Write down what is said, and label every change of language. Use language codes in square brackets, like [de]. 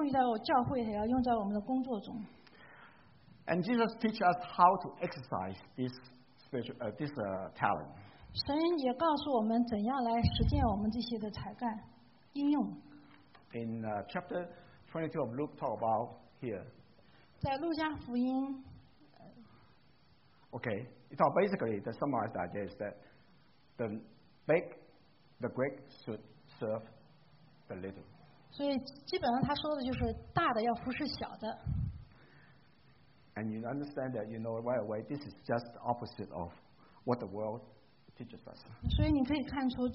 [zh] 所以这样的才干应该被不仅要用于在我教会，也要用在我们的工作中。 [en] And Jesus teaches us how to exercise this talent. [zh] 神也告诉我们怎样来实践我们这些的才干，应用。 [en] In chapter 22 of Luke, talk about here. [zh] 在路加福音, [en] okay, so basically, the summarized idea is that the big, the great should serve the little. [zh] 所以基本上他说的就是大的要服侍小的。 [en] And you understand that, you know, right away, this is just the opposite of what the world teaches us.